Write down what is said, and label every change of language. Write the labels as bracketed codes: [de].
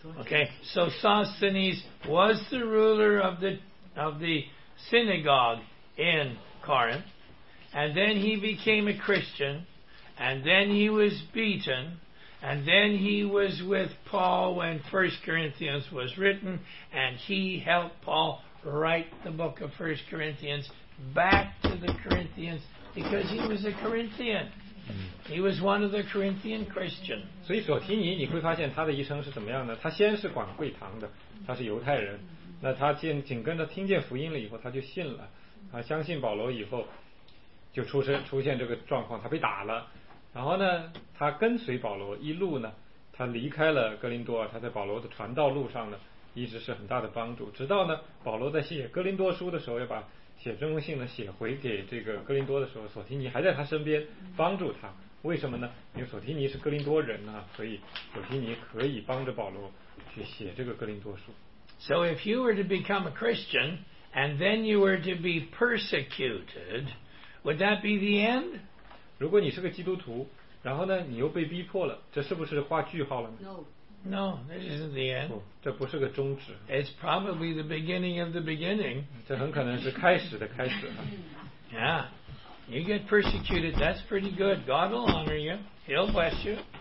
[en] Okay, so Sosthenes was the ruler of the synagogue in Corinth, and then he became a Christian, and then he was beaten, and then he was with Paul when 1 Corinthians was written, and he helped Paul write the book of 1 Corinthians back to the Corinthians because he was a Corinthian. He was one of the Corinthian Christians. [zh] 所以索提尼，你会发现他的一生是怎么样的？他先是管会堂的，他是犹太人。那他紧跟着听见福音了以后，他就信了，他相信保罗以后，就出现这个状况，他被打了，然后呢，他跟随保罗一路呢，他离开了哥林多，他在保罗的传道路上呢，一直是很大的帮助，直到呢，保罗在写哥林多书的时候，要把写这封信呢写回给这个哥林多的时候，索提尼还在他身边帮助他，为什么呢？因为索提尼是哥林多人啊，所以索提尼可以帮着保罗去写这个哥林多书。 [en] So if you were to become a Christian and then you were to be persecuted, would that be the end? [zh] 如果你是个基督徒，然后呢，你又被逼迫了，这是不是画句号了呢？ [en] No, this isn't the end. [zh] 不，这不是个终止。 [en] It's probably the beginning of the beginning. [zh] 这很可能是开始的开始。 [en] Yeah, you get persecuted, that's pretty good. God will honor you. He'll bless you.